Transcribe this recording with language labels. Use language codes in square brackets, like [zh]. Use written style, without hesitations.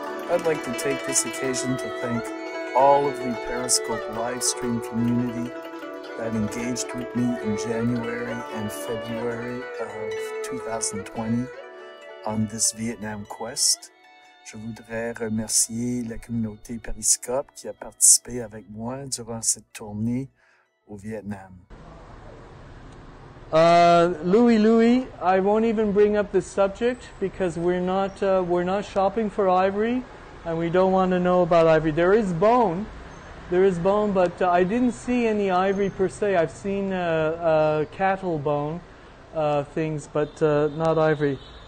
[en] I'd like to take this occasion to thank all of the Periscope live stream community that engaged with me in January and February of 2020 on this Vietnam quest. [fr] Je voudrais remercier la communauté Periscope qui a participé avec moi durant cette tournée au Vietnam. [en] Louis, I won't even bring up the subject because we're not shopping for ivory, and we don't want to know about ivory. There is bone, but I didn't see any ivory per se. I've seen cattle bone things, but not ivory.